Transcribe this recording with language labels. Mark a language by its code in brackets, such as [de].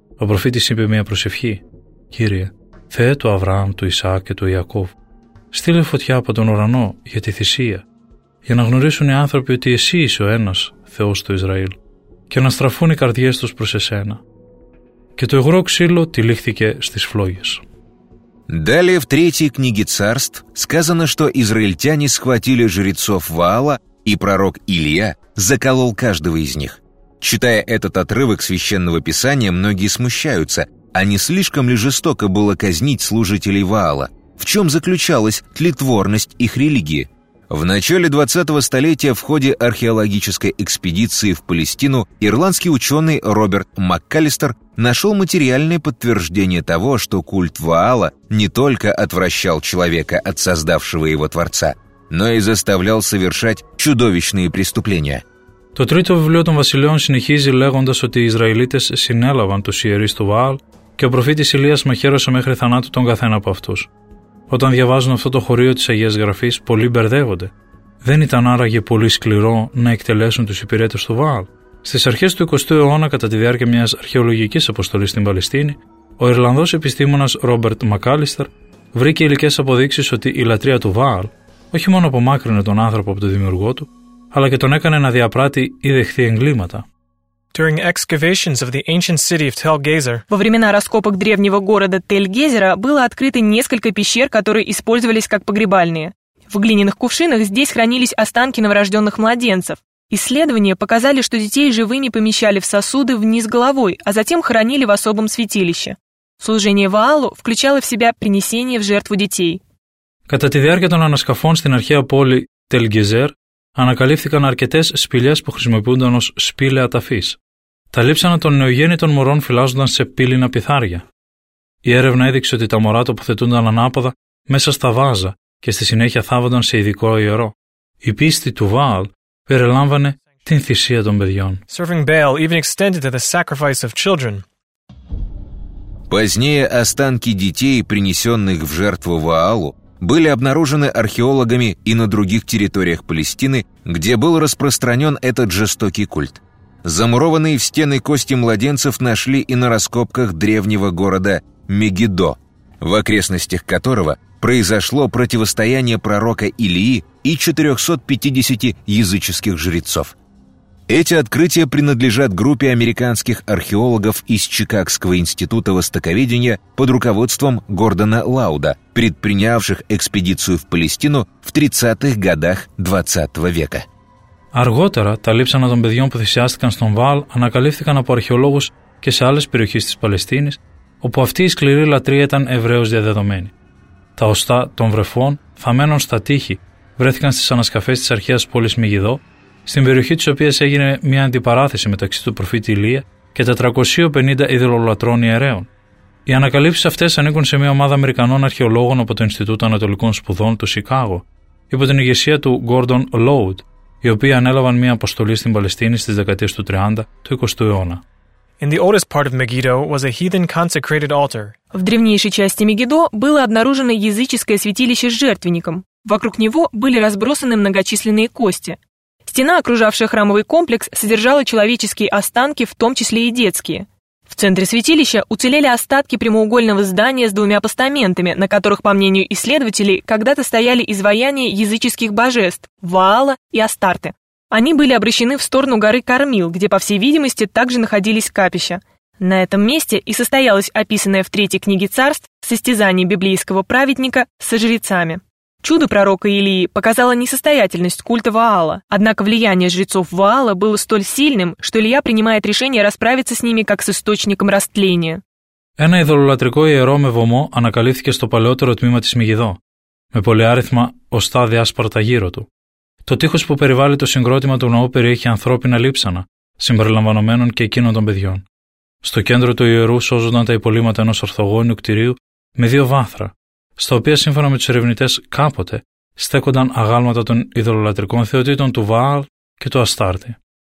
[el] Ο προφήτης είπε μια προσευχή: «Κύριε, Θεέ του Αβραάμ, του Ισαάκ και του Ιακώβ, στείλε φωτιά από τον ουρανό για τη θυσία, για να γνωρίσουν οι άνθρωποι ότι εσύ είσαι ο ένας Θεός του Ισραήλ και να στραφούν οι καρδιές τους προς εσένα». Και το υγρό ξύλο τυλίχθηκε στις φλόγες. [ru] Далее в третьей книге царств сказано, что израильтяне схватили жрецов Ваала, и пророк Илия заколол каждого из них. Читая этот отрывок священного писания, многие смущаются, а не слишком ли жестоко было казнить служителей Ваала? В чем заключалась тлетворность их религии? В начале 20-го столетия в ходе археологической экспедиции в Палестину ирландский ученый Роберт МакКаллистер нашел материальное подтверждение того, что культ Ваала не только отвращал человека от создавшего его Творца, но и заставлял совершать чудовищные преступления. [el] То третье вивлио των βασιλείων συνεχίζει λέγοντας ότι οι Ισραηλίτες συνέλαβαν τους ιερείς του Ваал και ο προφήτης Ηλίας μαχαίρωσε μέχρι θανάτου τον καθένα από αυτούς. Όταν διαβάζουν αυτό το χωρίο της Αγίας Γραφής, πολλοί μπερδεύονται. Δεν ήταν άραγε πολύ σκληρό να εκτελέσουν τους υπηρέτες του Βααλ? Στις αρχές του 20ου αιώνα, κατά τη διάρκεια μιας αρχαιολογικής αποστολής στην Παλαιστίνη, ο Ιρλανδός επιστήμονας Ρόμπερτ Μακάλιστερ βρήκε υλικές αποδείξεις ότι η λατρεία του Βααλ όχι μόνο απομάκρυνε τον άνθρωπο από τον δημιουργό του, αλλά και τον έκανε να διαπράττει ή δεχθεί εγκλήματα. [en] During excavations of the ancient city of Tel-Gezer, [ru] во времена раскопок древнего города Тель-Гезера было открыто несколько пещер, которые использовались как погребальные. В глиняных кувшинах здесь хранились останки новорожденных младенцев. Исследования показали, что детей живыми помещали в сосуды вниз головой, а затем хоронили в особом святилище. Служение Ваалу включало в себя принесение в жертву детей. [el] Κατά τη διάρκεια των ανασκαφών στην αρχαία πόλη Тель-Гезер ανακαλύφθηκαν αρκετές σπηλιές που χρησιμοποιούνταν ως σπήλαια ταφής. Τα λείψανα των νεογέννητων μωρών φυλάζονταν σε πύληνα πιθάρια. Η έρευνα έδειξε ότι τα μωρά τοποθετούνταν ανάποδα μέσα στα βάζα και στη συνέχεια θάβονταν σε ειδικό ιερό. Η πίστη του Βααλ περιλάμβανε την θυσία των παιδιών. [en] Serving Baal even extended to the sacrifice of children. [ru] Позднее останки детей, принесенных в жертву Ваалу, были обнаружены археологами и на других территориях Палестины, где был распространен этот жестокий культ. Замурованные в стены кости младенцев нашли и на раскопках древнего города Мегидо, в окрестностях которого произошло противостояние пророка Илии и 450 языческих жрецов. Эти открытия принадлежат группе американских археологов из Чикагского института востоковедения под руководством Гордона Лауда, предпринявших экспедицию в Палестину в 30-х годах 20 века. [el] Αργότερα, τα λείψανα των παιδιών που θυσιάστηκαν στον Βάλ ανακαλύφθηκαν από αρχαιολόγους και σε άλλες περιοχές της Παλαιστίνης, όπου αυτή η σκληρή λατρεία ήταν ευρέως διαδεδομένη. Τα οστά των βρεφών, φαμένων στα τείχη, βρέθηκαν στις ανασκαφές της αρχαίας πόλης Μεγιδό, στην περιοχή της οποίας έγινε μια αντιπαράθεση μεταξύ του προφήτη Ηλία και τα 350 ειδωλολατρών ιερέων. Οι ανακαλύψεις αυτές ανήκουν σε μια ομάδα Αμερικανών αρχαιολόγων από το Ινστιτούτο Ανατολικών Σπουδών του Σικάγο, υπό την ηγεσία του Gordon Lowd, οι οποίοι ανέλαβαν μια αποστολή στην Παλαιστίνη στις δεκαετίες του 30 του 20ου αιώνα. [en] In the oldest part of Megiddo was a heathen consecrated altar. [ru] В древнейшей части Мегидо было обнаружено языческое святилище с жертвенником. Вокруг него были разбросаны многочисленные кости. Стена, окружавшая храмовый комплекс, содержала человеческие останки, в том числе и детские. В центре святилища уцелели остатки прямоугольного здания с двумя постаментами, на которых, по мнению исследователей, когда-то стояли изваяния языческих божеств – Ваала и Астарте. Они были обращены в сторону горы Кармил, где, по всей видимости, также находились капища. На этом месте и состоялось описанное в Третьей книге царств состязание библейского праведника со жрецами. Чудо пророка Илии показало несостоятельность культа Ваала, однако влияние жрецов Ваала было столь сильным, что Илия принимает решение расправиться с ними как с источником растления. [el] Ένα ειδωλολατρικό ιερό με βωμό ανακαλύφθηκε στο παλαιότερο τμήμα της Μεγιδό, με πολυάριθμα οστά διάσπαρτα γύρω του. Το τείχος που περιβάλλει το συγκρότημα του ναού περιέχει ανθρώπινα λείψανα, συμπεριλαμβανομένων και εκείνων των παιδιών. Στο κέντρο του ιερού σώζονταν τα υπολείμματα ενός ορθογώνιου κτηρίου με δύο βάθρα, στα οποία σύμφωνα με τους ερευνητές κάποτε στέκονταν αγάλματα των ειδωλολατρικών θεοτήτων του Βάαλ και του Αστάρτη.